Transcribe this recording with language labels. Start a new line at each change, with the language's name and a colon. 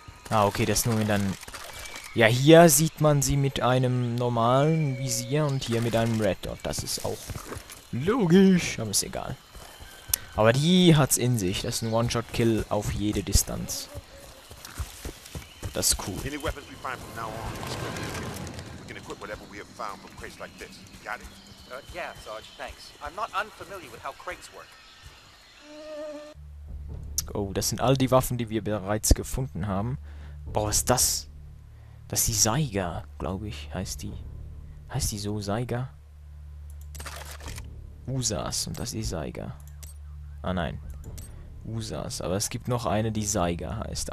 German: Ah, okay, das nur wenn dann... Ja, hier sieht man sie mit einem normalen Visier und hier mit einem Red Dot. Das ist auch logisch, aber ist egal. Aber die hat's in sich. Das ist ein One-Shot-Kill auf jede Distanz. Das ist cool.
English: Any weapons we find from now on? We can equip whatever we have found from crates like this. Got it? Yeah, Sarge, thanks. I'm not unfamiliar with how crates work.
German: Oh, das sind all die Waffen, die wir bereits gefunden haben. Boah, was ist das? Das ist die Saiga, glaube ich, heißt die. Heißt die so, Saiga? Usas, und das ist die Saiga. Ah, nein. Usas, aber es gibt noch eine, die Saiga heißt.